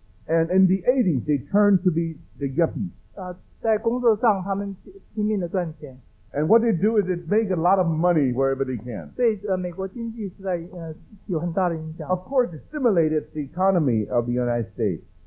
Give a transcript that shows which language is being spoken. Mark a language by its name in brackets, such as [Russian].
[English] And in the 80s, they turned to be the yuppies. [Chinese] 在工作上, 他们拼命地赚钱。 [English] And what they do is they make a lot of money wherever they can. [Chinese] 对美国经济是在有很大的影响。 [English] Of course, it stimulated the economy of the United States.